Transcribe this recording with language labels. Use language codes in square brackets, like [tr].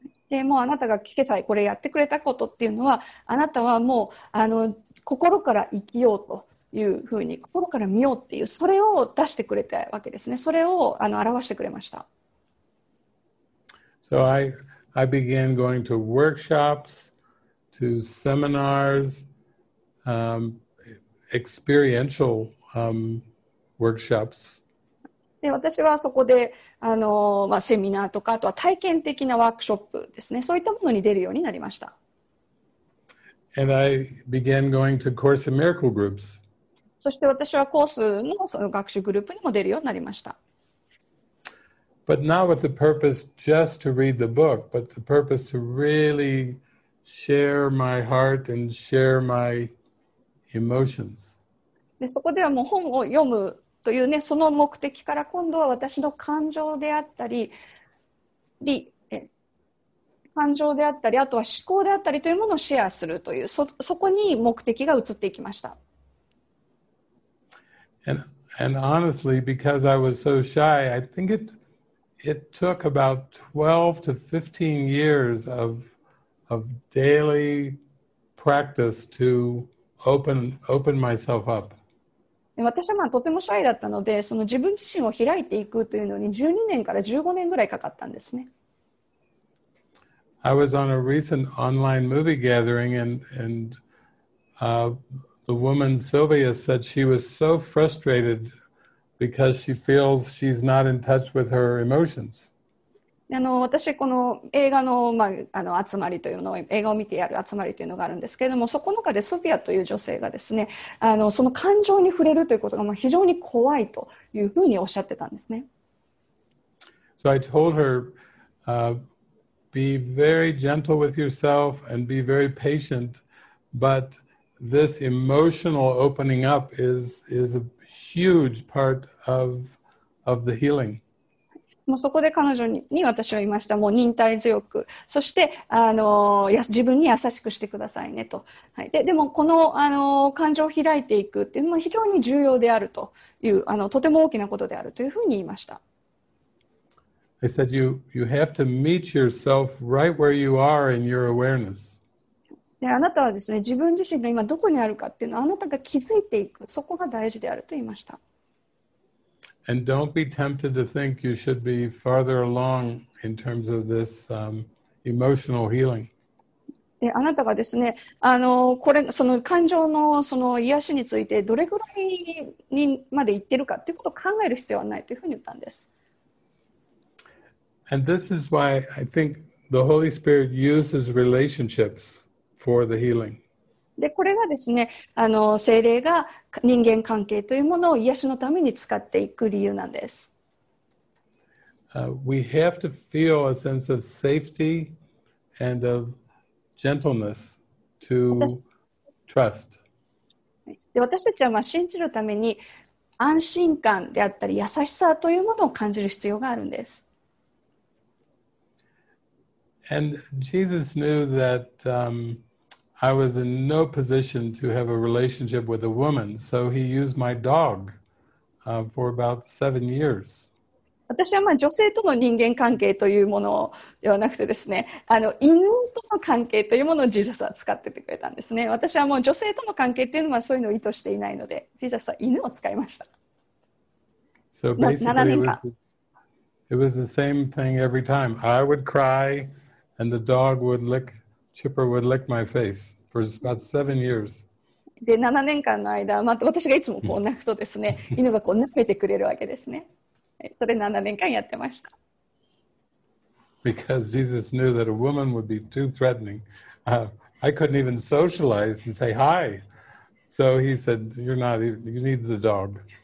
[ja] でもあなたが聞けたいこれやってくれたことっていうのはあなたはもう心から生きようというふうに心から見ようっていうそれを出してくれたわけですねそれを表してくれました [en] So I began going to workshops, to seminars, experiential workshops. [ja] で私はそこで、まあ、セミナーとかあとは体験的なワークショップですねそういったものに出るようになりました [en] And I began going to Course in Miracle groups. [ja] そして私はコースのその学習グループにも出るようになりました。 [en] But not with the purpose just to read the book, but the purpose to really share my heart and share my emotions. [ja] でそこではもう本を読むというね、その目的から今度は私の感情であったり、感情であったり、あとは思考であったりというものをシェアするという、そこに目的が移っていきました。 [en] And honestly, because I was so shy, I think it took about 12 to 15 years of daily practice to open myself up. [ja] 私はまあとてもシャイだったので、その自分自身を開いていくというのに12年から15年ぐらいかかったんですね。 [en] I was on a recent online movie gathering the woman Sylvia said she was so frustrated because she feels she's not in touch with her emotions. [ja] 私この映画 の,、まあ、あの集まりというのを映画を見てやる集まりというのがあるんですけれども、そこの中でソフィアという女性がですね、その感情に触れるということが非常に怖いというふうにおっしゃってたんですね。 [en] So I told herBe very gentle with yourself and be very patient, but this emotional opening up is a huge part of the healing. [ja] もうそこで彼女 に私は言いました。もう忍耐強く、そして自分に優しくしてくださいねと。はい、でもこの感情を開いていくっていうのも非常に重要であるというとても大きなことであるというふうに言いました。 [en] I said, you have to meet yourself right where you are in your awareness. [ja] あなたはですね、自分自身が今どこにあるかっていうのをあなたが気づいていく、そこが大事であると言いました。 [en] And don't be tempted to think you should be farther along in terms of this emotional healing. [ja] あなたがですね、これ、その感情のその癒しについてどれぐらいにまで行ってるかっていうことを考える必要はないというふうに言ったんです。 [en] And this is why I think the Holy Spirit uses relationships for the healing. [ja] で、これがですね、聖霊が人間関係というものを癒しのために使っていく理由なんです。 [en] We have to feel a sense of safety and of gentleness to trust. [ja] で、私たちはまあ信じるために安心感であったり優しさというものを感じる必要があるんです。 [en] And Jesus knew that I was in no position to have a relationship with a woman, so he used my dog for about 7 years. [ja] 私はまあ女性との人間関係というものではなくてですね、犬との関係というものをジーザスは使っててくれたんですね。私はもう女性との関係というのはそういうのを意図していないので、ジーザスは犬を使いました。 [en] So basically, it was the same thing every time. I would cry. And the dog would lick, Chipper would lick my face for about 7 years. [ja] で、7年間の間、また私がいつもこう泣くとですね、犬がこう舐めてくれるわけですね。それ7年間やってました。 [en] Because Jesus knew that a woman would be too threatening. I couldn't even socialize and say hi. So he said, you're not even, you need the dog.